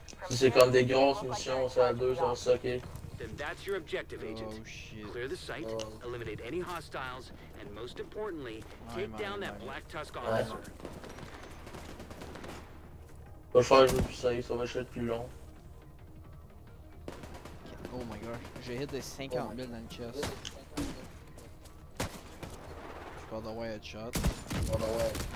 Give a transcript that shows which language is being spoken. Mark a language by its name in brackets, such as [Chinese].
[French] Si c'est comme des grosses missions, ça à deux, ça va sucker. [English] Then that's your objective, agent. Oh, shit. Clear the site, eliminate any hostiles, and most importantly, take down that Black Tusk officer. [French] Va faire le plus safe, ça va être plus long. [English] Oh my gosh, [French] j'ai hit des 50 000 dans le chest. Je peux avoir un headshot. [English] On a way.